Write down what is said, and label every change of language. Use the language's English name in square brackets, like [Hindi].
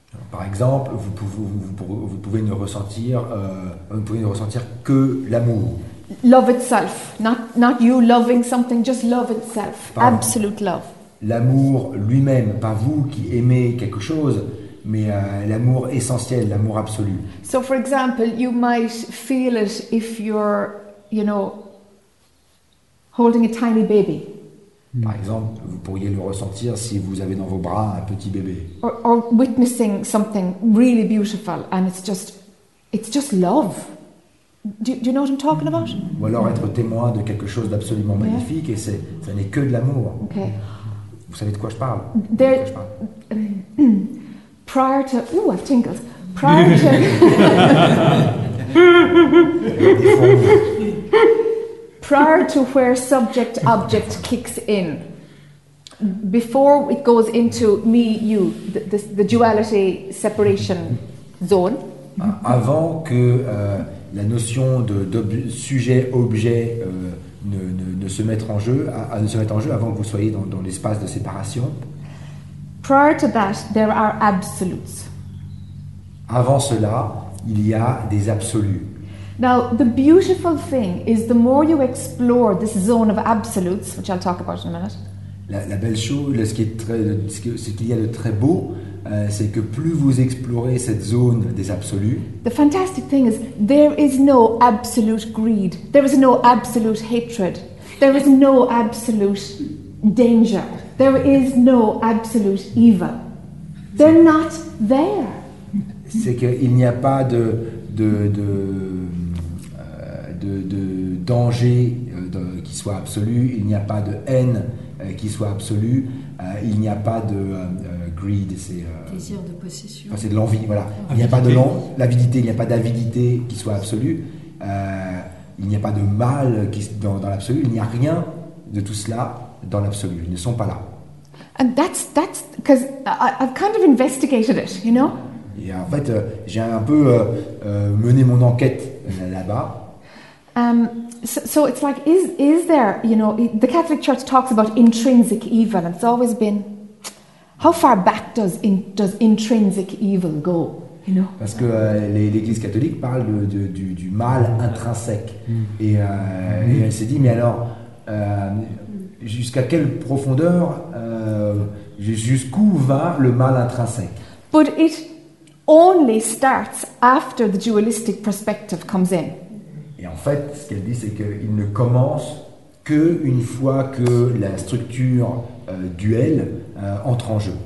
[French] Par exemple, vous pouvez ne ressentir que l'amour. [English] Love itself, not you loving something, just love itself, pas absolute love. [French] L'amour lui-même, pas vous qui aimez quelque chose, mais l'amour essentiel, l'amour absolu. [English] So for example, you might feel it if you're, you know, holding a tiny baby. [French] Par exemple, vous pourriez le ressentir si vous avez dans vos bras un petit bébé. [English] Or witnessing something really beautiful, and it's just love. Do you know what I'm talking about? [French] Ou alors être témoin de quelque chose d'absolument magnifique, et ça n'est que de l'amour. [English] Okay. [French] Vous savez de quoi je parle? [English] Prior to, ooh, I have tingles. Prior to. Prior to where subject-object kicks in, before it goes into me, you, the duality separation zone. [French] Avant que la notion de sujet-objet ne se mette en jeu, avant que vous soyez dans l'espace de séparation. [English] Prior to that, there are absolutes. [French] Avant cela, il y a des absolus. [English] Now, the beautiful thing is the more you explore this zone of absolutes, which I'll talk about in a minute. [French] La belle chose, ce qu'il y a de très beau, c'est que plus vous explorez cette zone des absolus. [English] The fantastic thing is there is no absolute greed. There is no absolute hatred. There is no absolute danger. There is no absolute evil. They're not there. [French] C'est qu'il n'y a pas de danger qui soit absolu, il n'y a pas de haine qui soit absolue, il n'y a pas de greed, c'est désir de possession, enfin, c'est de l'envie, voilà. Avidité. Il n'y a pas de l'avidité, il n'y a pas d'avidité qui soit absolue, il n'y a pas de mal dans l'absolu, il n'y a rien de tout cela dans l'absolu, ils ne sont pas là. [English] And that's because I've kind of investigated it, you know. [French] Et en fait, j'ai un peu mené mon enquête là-bas. [English] So it's like, is there, you know, the Catholic Church talks about intrinsic evil, and it's always been, how far back does intrinsic evil go, you know? [French] Parce que l'Église catholique parle du mal intrinsèque, et elle s'est dit, mais alors, jusqu'à quelle profondeur, jusqu'où va le mal intrinsèque? [English] But it only starts after the dualistic perspective comes in. [French] Et en fait, ce qu'elle dit, c'est qu'il ne commence que une fois que la structure duelle entre en jeu.